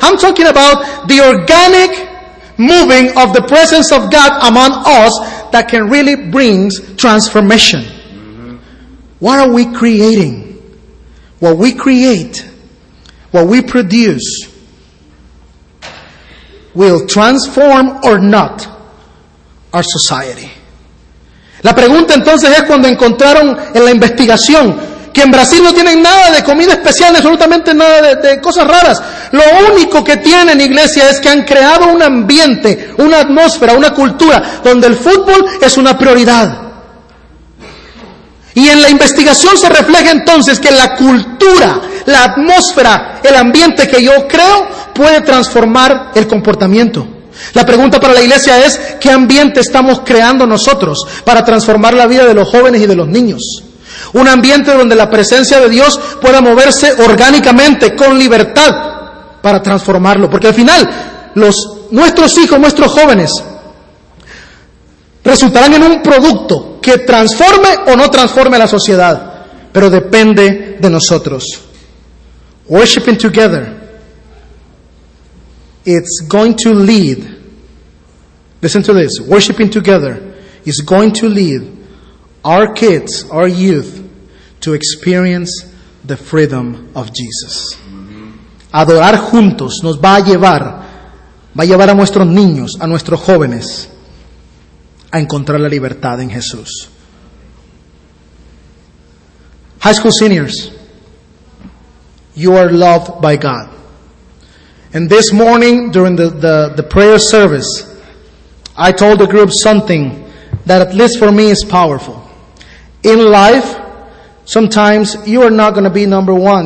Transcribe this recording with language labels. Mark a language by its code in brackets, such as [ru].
[en] I'm talking about the organic moving of the presence of God among us that can really bring transformation. Mm-hmm. What are we creating? What we create, what we produce, will transform or not our society. [es] La pregunta entonces es cuando encontraron en la investigación que en Brasil no tienen nada de comida especial, absolutamente nada de cosas raras. Lo único que tienen, iglesia, es que han creado un ambiente, una atmósfera, una cultura donde el fútbol es una prioridad. Y en la investigación se refleja entonces que la cultura, la atmósfera, el ambiente que yo creo puede transformar el comportamiento. La pregunta para la iglesia es, ¿qué ambiente estamos creando nosotros para transformar la vida de los jóvenes y de los niños? Un ambiente donde la presencia de Dios pueda moverse orgánicamente, con libertad, para transformarlo. Porque al final, nuestros hijos, nuestros jóvenes, resultarán en un producto que transforme o no transforme la sociedad. Pero depende de nosotros. [en] Worshiping together, it's going to lead, listen to this, worshiping together is going to lead our kids, our youth, to experience the freedom of Jesus. [es] Adorar juntos nos va a llevar a nuestros niños, a nuestros jóvenes, a encontrar la libertad en Jesús. [en] High school seniors, you are loved by God. And this morning, during the prayer service, I told the group something that at least for me is powerful. In life, sometimes you are not going to be number one.